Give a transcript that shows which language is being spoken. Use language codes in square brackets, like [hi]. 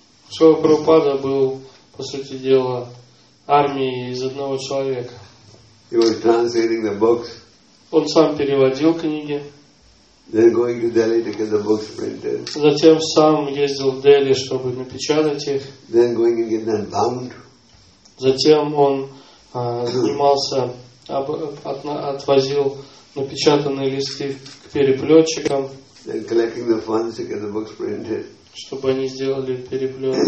[ru] Шрила Прабхупада был, по сути дела, армией из одного человека. [en] He was translating the books. [ru] Он сам переводил книги. [en] Then going to Delhi to get the books printed. [ru] Затем сам ездил в Дели, чтобы напечатать их. [en] Then going to get them bound. [ru] Затем он занимался, отвозил напечатанные листы к переплетчикам, чтобы они сделали переплет.